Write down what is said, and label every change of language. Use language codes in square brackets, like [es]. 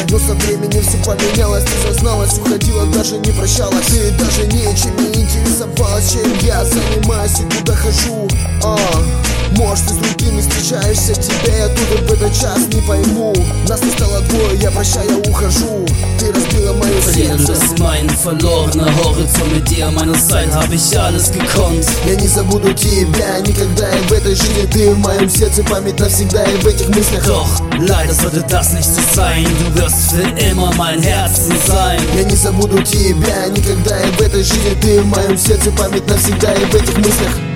[ru] Но со временем все поменялось. Ты созналась, уходила, даже не прощалась. Ты даже ничем не интересовалась, чем я занимаюсь. Куда хожу, может, ты с другими встречаешься. Тебя я тут в этот час не пойму. Нас не стало двое, я прощаю, я ухожу. Ты разбила мое сердце. [de] Verlieren, das ist mein verlorener Horizont. Mit dir an meiner Seite hab ich alles gekonnt. [ru] Я не забуду тебя никогда, и в этой жизни ты в моем сердце память навсегда, и в этих мыслях. [de] Doch leider sollte das nicht so sein. Du wirst für immer mein Herzen sein. [ru] Я не забуду тебя никогда, и в этой жизни ты в моем сердце память навсегда, и в этих мыслях.